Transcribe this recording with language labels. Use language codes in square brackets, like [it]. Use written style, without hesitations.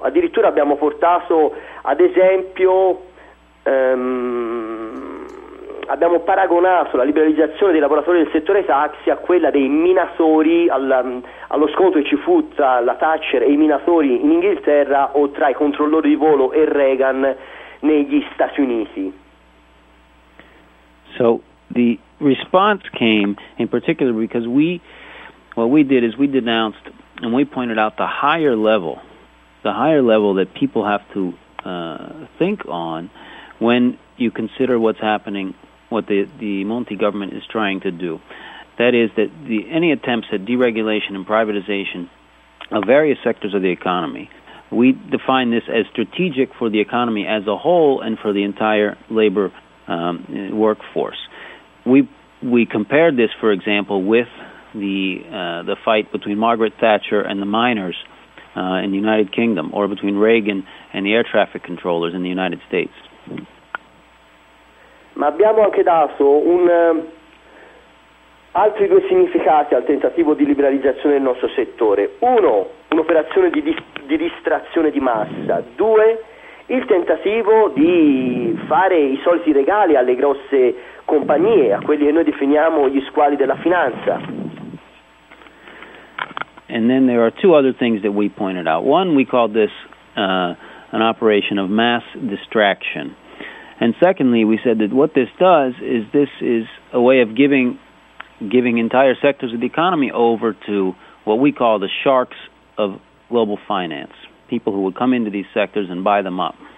[it] Addirittura abbiamo portato ad esempio, abbiamo paragonato la liberalizzazione dei lavoratori del settore taxi a quella dei minatori, allo scontro che ci fu tra la Thatcher e i minatori in Inghilterra o tra i controllori di volo e Reagan negli Stati Uniti. [en] So the response came in particular because we denounced and we pointed out the higher level that people have to think on when you consider what's happening, what the Monti government is trying to do. That is that any attempts at deregulation and privatization of various sectors of the economy, we define this as strategic for the economy as a whole and for the entire labor workforce. We compared this, for example, with the fight between Margaret Thatcher and the miners in the United Kingdom, or between Reagan and the air traffic controllers in the United States. [it] Ma abbiamo anche dato altri due significati al tentativo di liberalizzazione del nostro settore. Uno, un'operazione di distrazione di massa. Due, il tentativo di fare i soliti regali alle grosse compagnie, a quelli che noi definiamo gli squali della finanza. [en] And then there are two other things that we pointed out. One, we called this an operation of mass distraction. And secondly, we said that what this does is this is a way of giving entire sectors of the economy over to what we call the sharks of global finance, people who would come into these sectors and buy them up.